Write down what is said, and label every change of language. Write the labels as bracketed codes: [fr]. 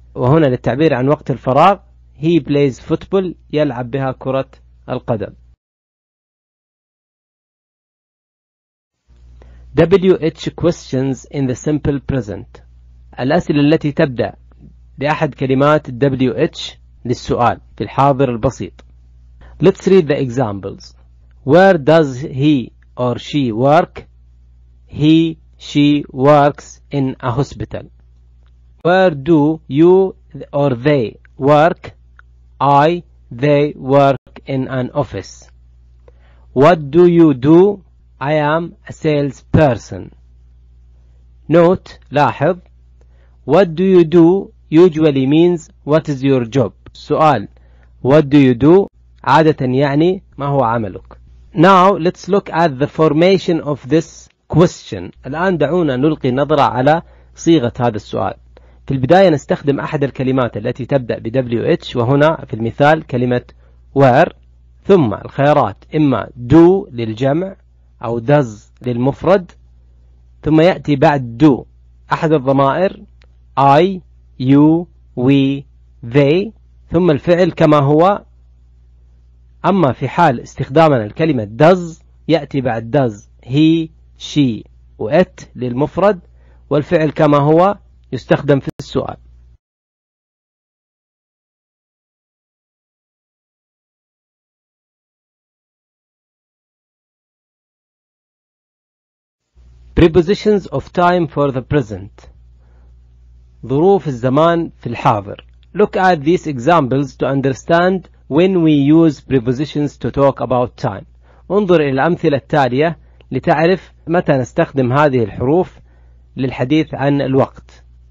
[ar] وهنا للتعبير عن وقت الفراغ [en] He plays football [ar] يلعب بها كرة القدم [en] WH questions in the simple present [ar] الأسئلة التي تبدأ بأحد كلمات [en] WH [ar] للسؤال في الحاضر البسيط [en] Let's read the examples Where does he or she work? He, she works in a hospital Where do you or they work? I, they work in an office. What do you do? I am a salesperson. Note, لاحظ, What do you do usually means what is your job. [ar] سؤال [en] What do you do [ar] عادة يعني ما هو عملك. [en] Now let's look at the formation of this question. [ar] الآن دعونا نلقي نظرة على صيغة هذا السؤال. في البداية نستخدم أحد الكلمات التي تبدأ بـ WH وهنا في المثال كلمة where. ثم الخيارات إما do للجمع أو does للمفرد. ثم يأتي بعد do أحد الضمائر I, you, we, they. ثم الفعل كما هو. أما في حال استخدامنا الكلمة does يأتي بعد does he, she, it للمفرد والفعل كما هو يستخدم في السؤال. [en] Prepositions of time for the present. [ar] ظروف الزمان في الحاضر. [en] Look at these examples to understand when we use prepositions to talk about time. [ar] انظر إلى الأمثلة التالية لتعرف متى نستخدم هذه الحروف للحديث عن الوقت.